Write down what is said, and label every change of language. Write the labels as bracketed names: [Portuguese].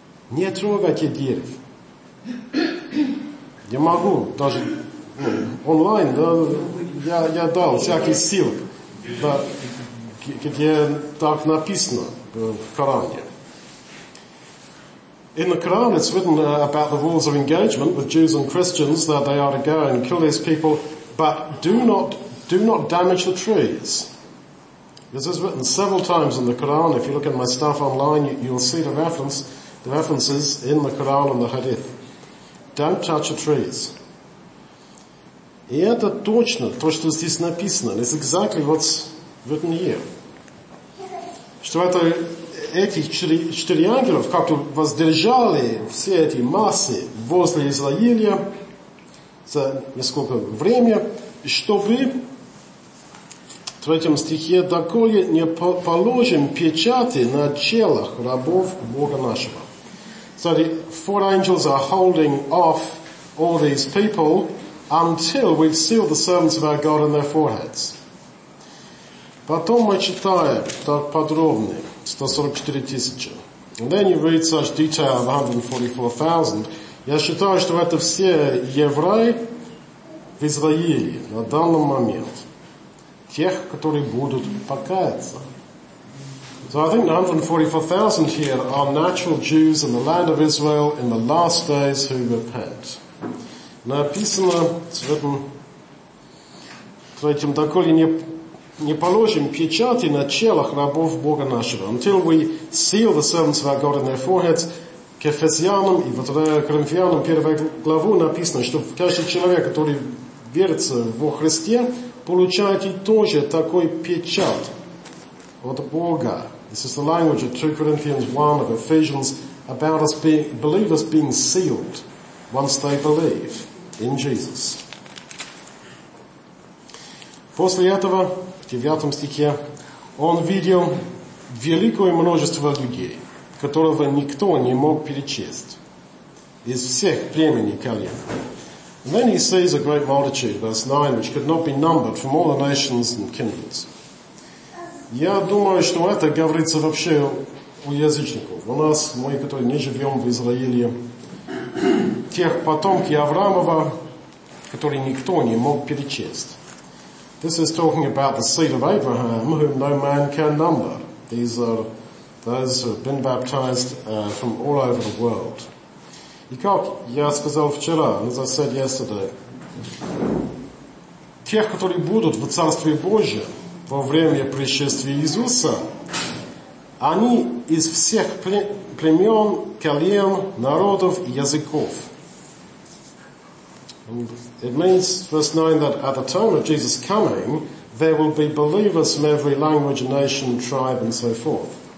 [Russian] Не трогайте дерев. Я могу даже онлайн, да, я дал всякие ссылки. Да. Где так написано в Коране. [English] In the Quran it's written about the rules of engagement with Jews and Christians that they are to go and kill these people, but do not damage the trees. This is written several times in the Quran. If you look at my stuff online, you'll see the references in the Quran and the Hadith. Don't touch the trees. [Russian] И это точно то, что здесь написано. [English] It's exactly what's written here. [Russian] Что это эти четыре ангелов как-то воздержали все эти массы возле Израиля за несколько времени, чтобы в третьем стихе доколе не положим печати на челах рабов Бога нашего. [English] So the four angels are holding off all these people until we've sealed the servants of our God on their foreheads. [Russian] Потом мы читаем так подробно, 144 тысячи. [English] And then you read such detail of 144,000. [Russian] Я считаю, что это все евреи в Израиле на данный момент. Тех, которые будут покаяться. [English] So I think 144,000 here are natural Jews in the land of Israel in the last days who repent. [Russian] Написано, [English] written, [Russian] третьим доколе не... Не положим печати на челах рабов Бога нашего, [English] until we seal the servants of our God in their foreheads, [Russian] к Ефесянам и вот Коринфянам 1 главу написано, что каждый человек, который верит во Христе, получает и тоже такой печат от Бога. [English] This is the language of 2 Corinthians 1 of Ephesians about us being, believers being sealed once they believe in Jesus. [Russian] После этого, в 9 стихе, он видел великое множество людей, которого никто не мог перечесть из всех племен и колен. [English] And then he sees a great multitude, verse 9, which could not be numbered from all the nations and kindreds. [Russian] Я думаю, что это говорится вообще у язычников. У нас, мы, которые не живем в Израиле, тех потомки Авраамова, которые никто не мог перечесть. [English] This is talking about the seed of Abraham, whom no man can number. These are those who have been baptized from all over the world. [Russian] И как я сказал вчера, [English] as I said yesterday, [Russian] тех, которые будут в Царстве Божьем во время пришествия Иисуса, они из всех племен, колен, народов и языков. [English] And it means, verse 9, that at the time of Jesus' coming, there will be believers from every language, nation, tribe, and so forth.